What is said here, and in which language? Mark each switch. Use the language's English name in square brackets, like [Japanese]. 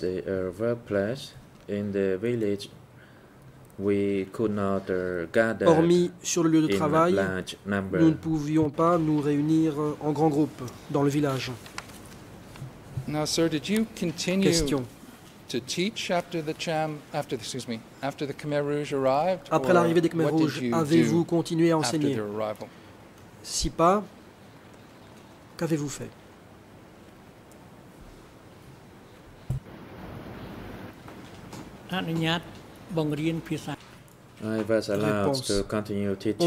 [English] The workplace in the village, we could not gather. [French] Hormis sur le lieu de travail, [English] large number. [French] Nous ne pouvions pas nous réunir en grand groupe dans le village. [English] Now, sir, did you continue [French] Question. [English] To teach after the Cham, after the, excuse me, after the Khmer Rouge arrived? [French] Après l'arrivée des Khmer Rouge, avez-vous continué à enseigner? [English] After their arrival? [French] Si pas, qu'avez-vous fait? [English] I was allowed to continue teaching